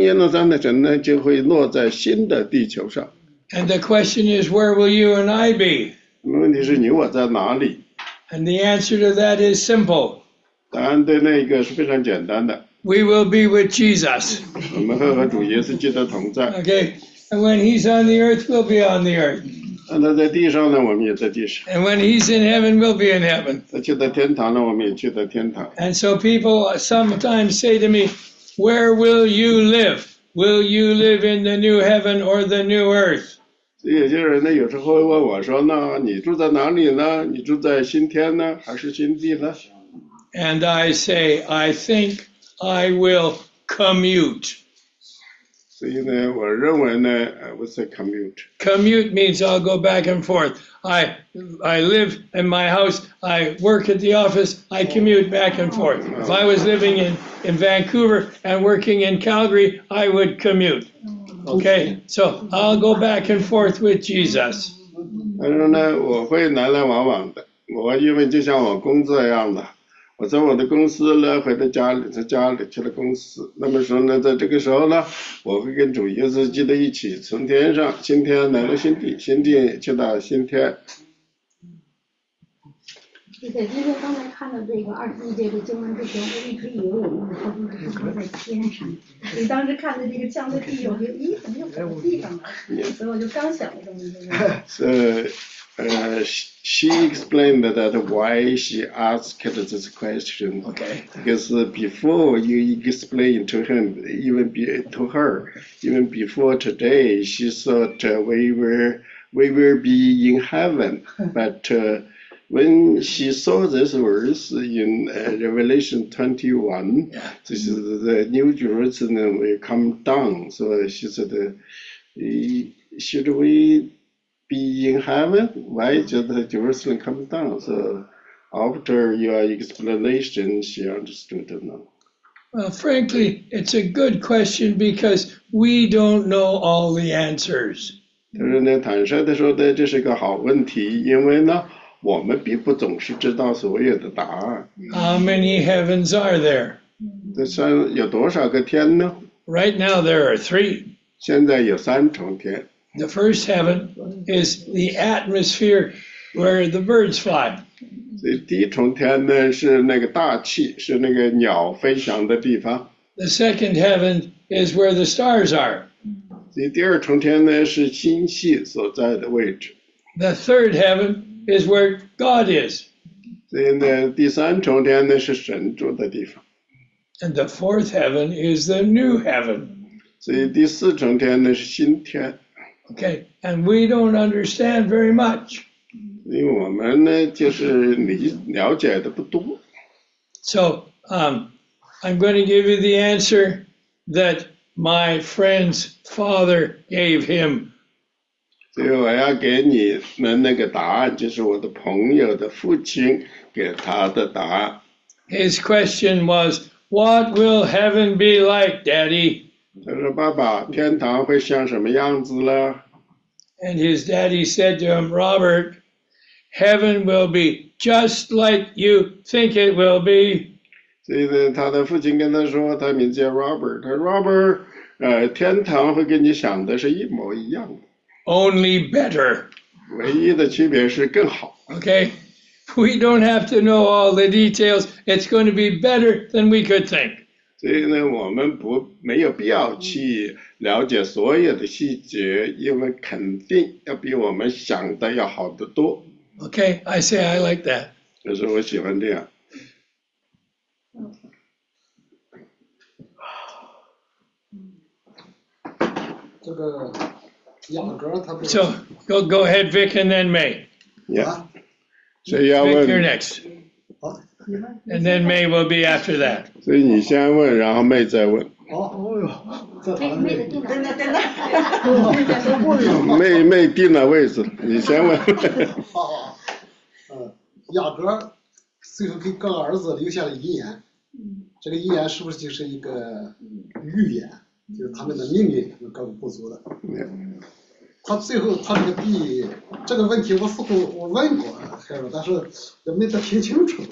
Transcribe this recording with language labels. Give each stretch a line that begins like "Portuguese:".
Chinese: 所以，当新天新地来了以后呢，在天上呢要降下新的耶路撒冷城，那么新耶路撒冷城呢就会落在新的地球上。
English: And the question is, where will you and I be?
Chinese: 问题是你我在哪里？
English: And the answer to that is simple.
Chinese: 答案对那个是非常简单的。
English: We will be with Jesus.
Chinese: 我们会和主耶稣基督同在。
English: Okay. And when he's on the earth, we'll be on the earth.
Chinese: 那他在地上呢，我们也在地上。
English: And when he's in heaven, we'll be in heaven.
Chinese: 他去到天堂呢，我们也去到天堂。
English: And so people sometimes say to me, where will you live? Will you live in the new heaven or the new earth?
Chinese: 有些人呢，有时候会问我说：“那你住在哪里呢？你住在新天呢，还是新地呢？”
English: And I say, I think I will commute.
Chinese: 所以呢，我认为呢 ，
English: I would say commute. Commute means I'll go back and forth. I live in my house. I work at the office. I commute back and forth. If I was living in Vancouver and working in Calgary, I would commute. Okay, so I'll go back and forth with Jesus.
Chinese: 他说呢，我会来来往往的。我因为就像我工作一样的，我在我的公司呢，回到家里，在家里去了公司。那么说呢，在这个时候呢，我会跟主耶稣基督一起从天上新天来到新地，新地去到新天。对，因为刚才看到这个二十一节的经文之前，我一直以为我们的天是放在天上。你当时看的这个降在地，我就咦，怎么又跑到地上了？所以我就刚想了这么一个。
English: So, she explained that why she asked this question. Okay. Because before you explained to him, even before today, she thought we will be in heaven, but. When she saw these words in Revelation 21, this is the New Jerusalem will come down. So she said, should we be in heaven? Why should the Jerusalem come down? So after your explanation, she understood it now. Well, frankly, it's a good question because we don't know all the answers.
Chinese: 他说呢，坦率地说的，这是个好问题，因为呢，我们并不总是知道所有的答案。
English: How many heavens are there?
Chinese: 这算有多少个天呢
English: ？Right now there are three.
Chinese: 现在有三重天。
English: The first heaven is the atmosphere where the birds fly.
Chinese: 所以第一重天呢是那个大气，是那个鸟飞翔的地方。
English: The second heaven is where the stars are.
Chinese: 所以第二重天呢是星系所在的位置。
English: The third heaven. Is where God is.
Chinese: 所以呢，第三重天呢是神住的地方。
English: And the fourth heaven is the new heaven.
Chinese: 所以第四重天呢是新天。
English: Okay, and we don't understand very much.
Chinese: 因为我们呢就是了解的不多。
English: So, I'm going to give you the answer that my friend's father gave him.
Chinese: 所以我要给你们那个答案，就是我的朋友的父亲给他的答案。
English: His question was, "What will heaven be like, Daddy?"
Chinese: 他说：“爸爸，天堂会像什么样子呢
English: ？”And his daddy said to him, "Robert, heaven will be just like you think it will be."
Chinese: 所以呢，他的父亲跟他说，他名字叫 Robert， 他说 ：“Robert， 天堂会跟你想的是一模一样的。”
English: Only better.
Chinese: 唯一的区别是更好。
English: Okay, we don't have to know all the details. It's going to be better than we could think.
Chinese: 所以呢，我们不没有必要去了解所有的细节，因为肯定要比我们想的要好得多。
English: Okay, I say I like that.
Chinese: 就是我喜欢这样。这个。
English: So, go ahead, Vic, and then May. Yeah. So, you have Vic, you're next. And then May will be after that. So, you first ask, then May will be after that. May picked the place. You first ask.
Chinese: 雅各最后给干儿子留下了遗言，这个遗言是不是就是一个预言，就是他们的命运是高不足的？他最后他那个地这个问题我似乎我问过孩子，但是也没得听清楚。